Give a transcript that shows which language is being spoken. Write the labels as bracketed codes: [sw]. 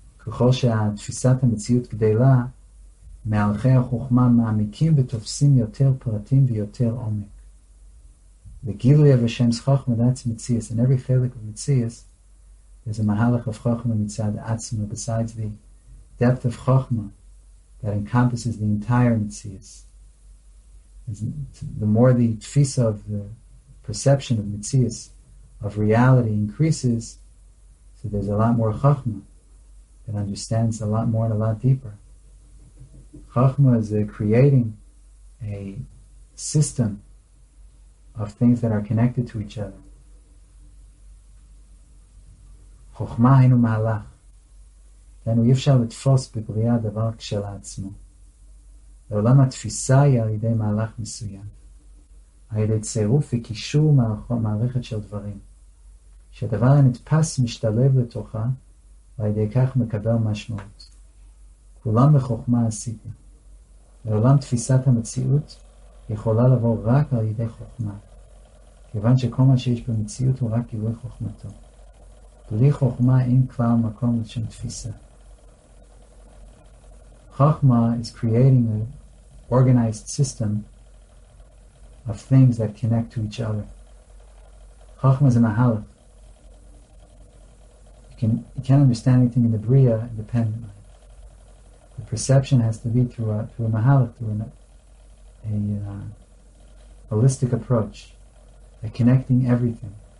[he] ככל שהתפיסת המציאות גדלה, מערכי החוכמה מעמיקים ותופסים יותר פרטים ויותר עומק. וגילוי אבא שם שכח מדעת מציאס, [en] and every חלק of מציאס, there's a מהלך of חוכמה [he] מצד עצמה, [en] besides the depth of חוכמה that encompasses the entire מציאס. The more the תפיסה of the perception of מציאס, of reality increases, so there's a lot more חוכמה. It understands a lot more and a lot deeper. Chachma is creating a system of things that are connected to each other. [he] חוכמה היינו מהלך. לנו אי אפשר לתפוס בבריאה דבר כשלעצמו. לעולם התפיסה היא על ידי מהלך מסוים. על ידי צירוף וקישור מערכת של דברים. שהדבר הנתפס משתלב לתוכה, ועל ידי כך מקבל משמעות. כולם בחוכמה עשיתם. לעולם תפיסת המציאות יכולה לבוא רק על ידי חוכמה. כיוון שכל מה שיש במציאות הוא רק גילוי חוכמתו. בלי חוכמה אין כבר מקום לשם תפיסה. [en] Chachma is creating an organized system of things that connect to each other. Chachma is a mahalach. You can't understand anything in the Bria independently. The perception has to be through a mahalach, through a holistic approach, that connecting everything.